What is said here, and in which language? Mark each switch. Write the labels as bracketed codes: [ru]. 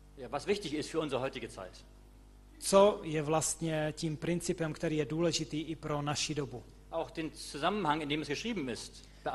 [de] Was wichtig ist für unsere heutige Zeit. [cs] Co je vlastně tím principem, který je důležitý i pro naši dobu. [de] Auch den Zusammenhang, in dem es geschrieben ist.